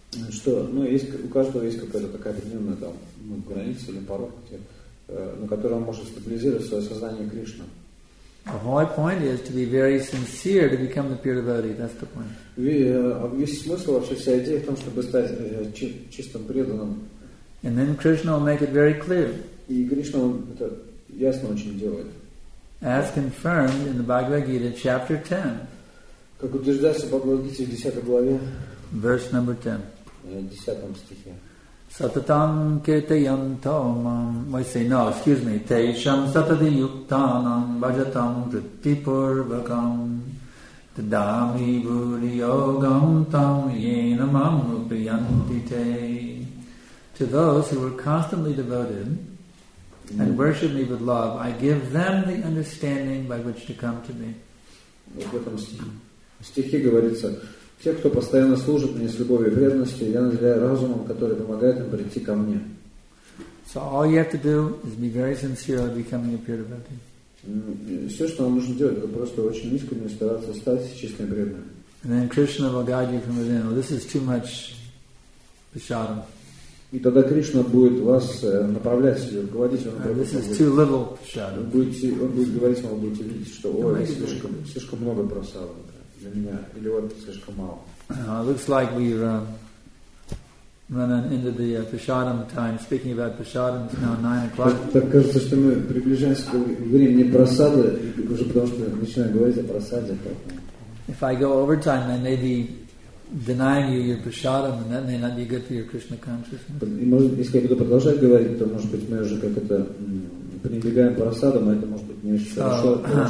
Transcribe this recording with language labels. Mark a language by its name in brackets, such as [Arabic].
[Russian] Что, ну, у каждого есть какая-то такая определенная там граница или порог, на котором он может стабилизировать свое сознание Кришны. [English] The whole point is to be very sincere to become the pure devotee. That's the point. [Russian] Весь смысл вообще вся идея в том, чтобы стать чистым преданным. [English] And then Krishna will make it very clear. [Russian] И Кришна это ясно очень делает. [English] As confirmed in the Bhagavad Gita, chapter 10. [Russian] Как утверждается в Бхагавад Гите в 10 главе. [English] Verse number 10. [Russian] В 10 стихе. [Sanskrit] Satatam ketayantamam. Teisham satadiyuktanam bhajatam vrittipurvakam. Tadami buriyogam tam yenamam upriyantite. [English] To those who are constantly devoted and worship me with love, I give them the understanding by which to come to me. [Russian] Вот в этом стихе говорится. Те, кто постоянно служит мне с любовью и преданностью, я наделяю разумом, который помогает им прийти ко мне. [English] So all you have to do is be very sincere in becoming a pure devotee. [Russian] Все, что вам нужно делать, это просто очень искренне стараться стать чистым преданным. [English] And then Krishna will guide you from within. This is too much prasadam. [Russian] И тогда Кришна будет вас направлять, руководить. [English] This is too little prasadam. [Russian] Он будет говорить вам, вы будете видеть, что слишком много прасада. [English] Looks like we've run into the prasadam time. Speaking about prasadam, it's now 9 o'clock. [Russian] Так кажется, что мы приближаемся к времени просады, уже потому что начинаем говорить о просаде. [English] If I go over time, I may be denying you your prasadam, and that may not be good for your Krishna consciousness. [Russian] Если я буду продолжать говорить, то может быть мы уже как-то пренебрегаем просадом, а это может быть не очень хорошо.